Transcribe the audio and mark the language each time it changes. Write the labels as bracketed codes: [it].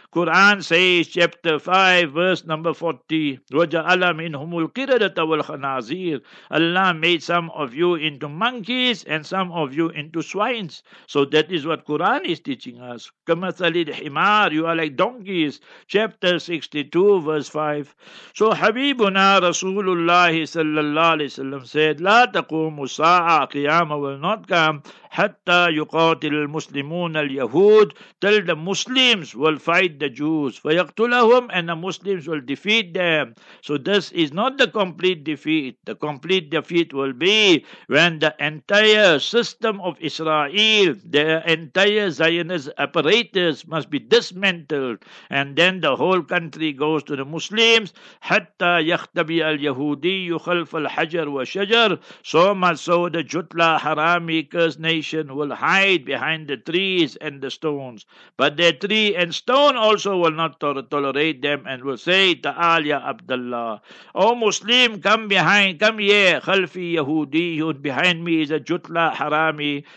[en] Quran says, chapter 5, verse number 40, [ar] وَجَعَلَ مِنْهُمُ الْقِرَدَةَ وَالْخَنَازِيرَ. [en] Allah made some of you into monkeys and some of you into swines. So that is what Quran is teaching us. [ar] كَمَثَلِ الْحِمَارِ. [en] You are like donkeys. Chapter 62, verse 5. [ar] So حَبِيبُنَا رَسُولُ اللَّهِ صَلَّى اللَّهِ عَلَيْهِ وَسَلَّمْ [en] said, [ar] لَا تَقُومُ سَاعَةَ قِيَامَةَ [en] will not come [ar] حتى يقاتل المسلمون اليهود, [en] till the Muslims will fight the Jews. [ar] فيقتلهم, [en] and the Muslims will defeat them. So this is not the complete defeat. The complete defeat will be when the entire system of Israel, their entire Zionist apparatus must be dismantled, and then the whole country goes to the Muslims. [ar] حتى يختبي اليهودي خلف الحجر والشجر. [en] So much so the Jutla Harami cursed nation will hide behind the trees and the stones. But their tree and stone also will not tolerate them and will say, [ar] Ta'al ya Abdullah. [en] O Muslim, come behind, come here. [ar] Khalfi Yahudiyun, [en] behind me is a Jutla Harami.